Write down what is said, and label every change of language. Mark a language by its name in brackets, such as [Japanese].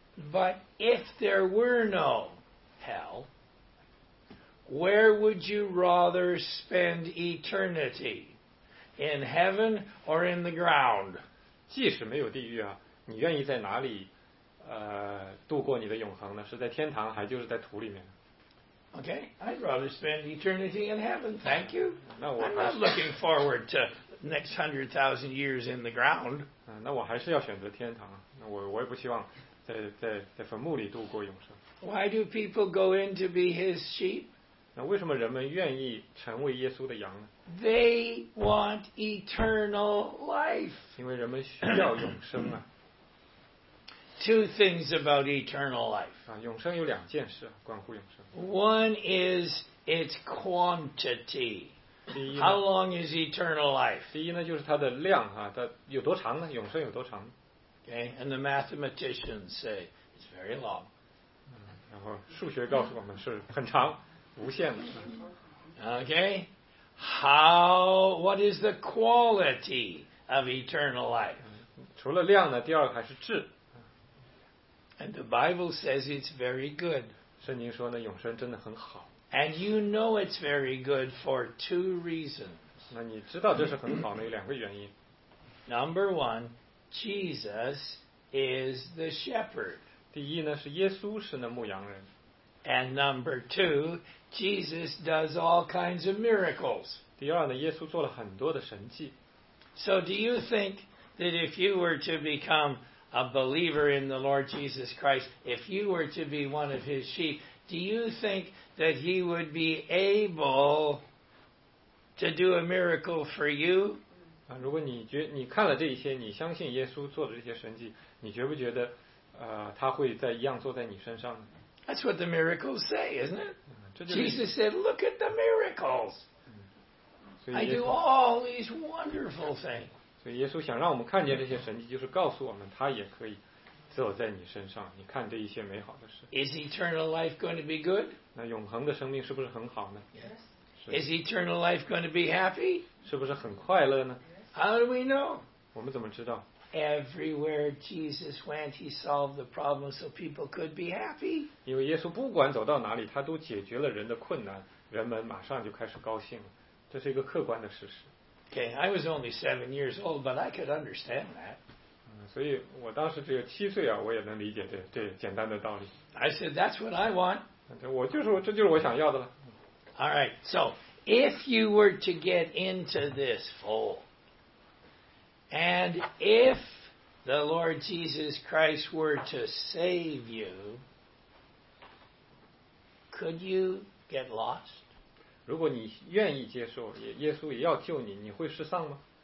[English] But if there were no hell, where would you rather spend eternity? In heaven or in the ground? [Chinese] 即使没有地狱啊，你愿意在哪里度过你的永恒呢？是在天堂还就是在土里面？ [English] Okay, I'd rather spend eternity in heaven, thank you. [Chinese] 那我 [English] I'm not looking forward to next 100,000 years in the ground. [Chinese] 那我还是要选择天堂，那我也不希望在坟墓里度过永生。 [English] Why do people go in to be his sheep? [Chinese] 那为什么人们愿意成为耶稣的羊呢？ [English] They want eternal life. [Chinese] 因为人们需要永生啊。 [English] Two things about eternal life. [Chinese] 永生有两件事，关乎永生。 [English] One is its quantity. How long is eternal life? [Chinese] 第一呢，就是它的量啊，它有多长呢？永生有多长？ [English] Okay, and the mathematicians say it's very long. [Chinese] 然后数学告诉我们是很长，无限的。 [English] Okay, how? What is the quality of eternal life? [Chinese] 除了量呢，第二个还是质。 [English] And the Bible says it's very good. [Chinese] 圣经说呢，永生真的很好。 [English] And you know it's very good for two reasons. [Chinese] 那你知道这是很好呢，有两个原因。 [English] Number one. Jesus is the shepherd. [Chinese] 第一呢，是耶稣是那牧羊人。 [English] And number two, Jesus does all kinds of miracles. [Chinese] 第二呢，耶稣做了很多的神迹。 [English] So do you think that if you were to become a believer in the Lord Jesus Christ, if you were to be one of his sheep, do you think that he would be able to do a miracle for you? [Chinese] 如果你看了这些，你相信耶稣做的这些神迹，你觉不觉得，他会在一样坐在你身上呢？ [English] That's what the miracles say, isn't it?、就是、 Jesus said, "Look at the miracles."、嗯、 I do all these wonderful things. [Chinese] 所以耶稣想让我们看见这些神迹，就是告诉我们他也可以坐在你身上，你看这一些美好的事。 [English] Is eternal life going to be good? [Chinese] 那永恒的生命是不是很好呢？ [English] Yes. Is eternal life going to be happy? [Chinese] 是不是很快乐呢? [English] How do we know? [Chinese] 我们怎么知道? [English] Everywhere Jesus went, he solved the problem so people could be happy. [Chinese] 因为耶稣不管走到哪里，他都解决了人的困难，人们马上就开始高兴了。这是一个客观的事实。 [English] Okay, I was only 7 years old, but I could understand that. [Chinese] 所以我当时只有七岁啊，我也能理解这简单的道理。 [English] I said, that's what I want. [Chinese] 我就是这就是我想要的了。 [English] All right, so if you were to get into this fold, and if the Lord Jesus Christ were to save you, could you get lost? [Chinese] 如果你愿意接受，耶稣也要救你，你会失丧吗？